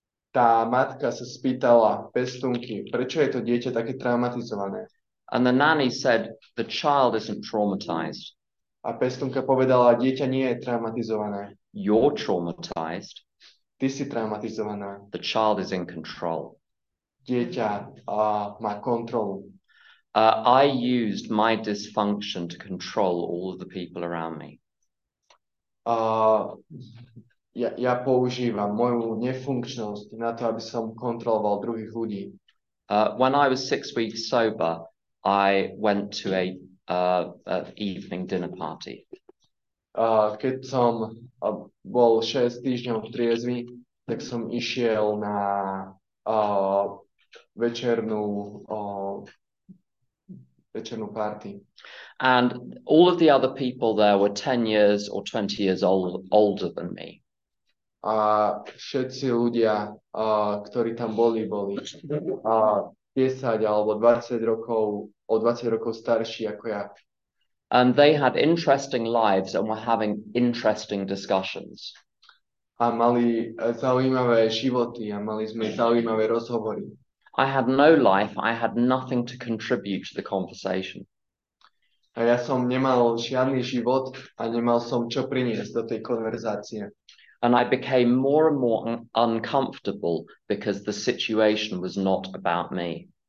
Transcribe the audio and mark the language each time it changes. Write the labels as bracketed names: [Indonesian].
[Slovak] Tá matka sa spýtala Pestunky, prečo je to dieťa také traumatizované? [English] And the nanny said, the child isn't traumatized. [Slovak] A Pestunka povedala, dieťa nie je traumatizované. [English] You're traumatized. [Slovak] Ty si traumatizovaná. [English] The child is in control. [Slovak] Dieťa má kontrolu. [English] I used my dysfunction to control all of the people around me. [Slovak] Ja používam moju nefunkčnosť na to, aby som kontroloval druhých ľudí. [English] When I was 6 weeks sober, I went to a evening dinner party. [Slovak] Keď som bol 6 týždňov triezvy, tak som išiel na večernú party. [English] And all of the other people there were 10 years or 20 years older than me. [Slovak] A všetci ľudia, ktorí tam boli 10 alebo 20 rokov, o 20 rokov starší ako ja. [English] And they had interesting lives and were having interesting discussions. [Slovak] A mali zaujímavé životy a mali sme zaujímavé rozhovory. [English] I had no life, I had nothing to contribute to the conversation. [Slovak] A ja som nemal žiadny život a nemal som čo priniesť do tej konverzácie. [English] And I became more and more uncomfortable because the situation was not about me.